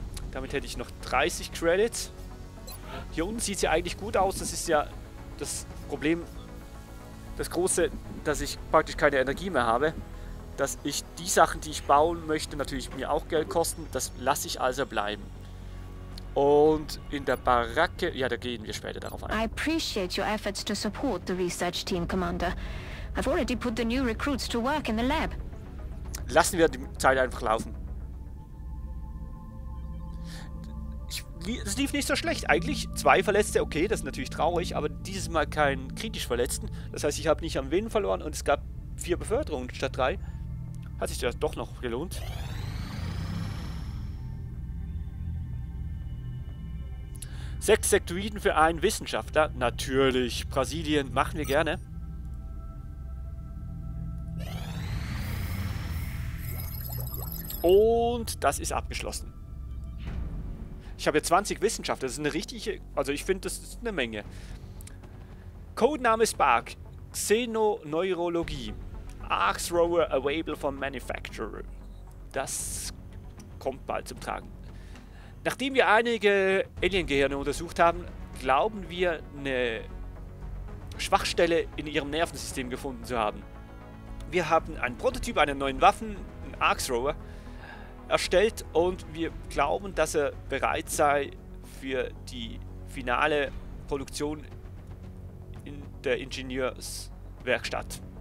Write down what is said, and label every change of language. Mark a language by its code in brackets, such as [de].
[de] Damit hätte ich noch 30 Credits. Hier unten sieht es ja eigentlich gut aus. Das ist ja das Problem, das große, dass ich praktisch keine Energie mehr habe. Dass ich die Sachen, die ich bauen möchte, natürlich mir auch Geld kosten. Das lasse ich also bleiben. Und in der Baracke, ja, da gehen wir später darauf ein. [en] I appreciate your efforts to support the research team, Commander. I've already put the new recruits to work in the lab. [de] Lassen wir die Zeit einfach laufen. Es lief nicht so schlecht. Eigentlich zwei Verletzte, okay, das ist natürlich traurig, aber dieses Mal keinen kritisch Verletzten. Das heißt, ich habe nicht am Win verloren und es gab 4 Beförderungen statt 3. Hat sich das doch noch gelohnt. Sechs Sektoiden für einen Wissenschaftler. Natürlich, Brasilien, machen wir gerne. Und das ist abgeschlossen. Ich habe ja 20 Wissenschaftler, das ist eine richtige... Also ich finde, das ist eine Menge. Codename Spark. Xenoneurologie. [en] Arcthrower available from manufacturer. [de] Das kommt bald zum Tragen. Nachdem wir einige Alien-Gehirne untersucht haben, glauben wir, eine Schwachstelle in ihrem Nervensystem gefunden zu haben. Wir haben einen Prototyp einer neuen Waffe, einen Arcthrower, erstellt und wir glauben, dass er bereit sei für die finale Produktion in der Ingenieurswerkstatt.